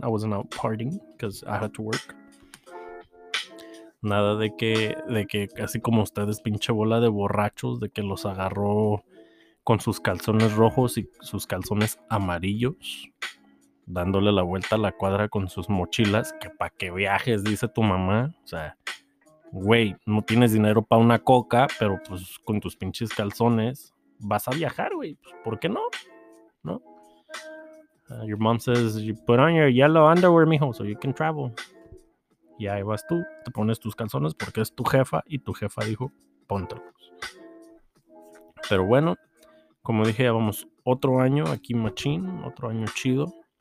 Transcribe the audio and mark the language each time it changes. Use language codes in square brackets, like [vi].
[en] I wasn't out partying because I had to work. [es] Nada de que así como ustedes, pinche bola de borrachos, de que los agarró con sus calzones rojos y sus calzones amarillos, dándole la vuelta a la cuadra con sus mochilas, que pa' que viajes, dice tu mamá. O sea, güey, no tienes dinero pa' una coca, pero pues con tus pinches calzones vas a viajar, güey. Pues, ¿por qué no? ¿No? [en] Your mom says, you put on your yellow underwear, mijo, so you can travel. [es] Y ahí vas tú, te pones tus calzones porque es tu jefa y tu jefa dijo, póntelos. Pero bueno, como dije, ya vamos otro año aquí machín, otro año chido.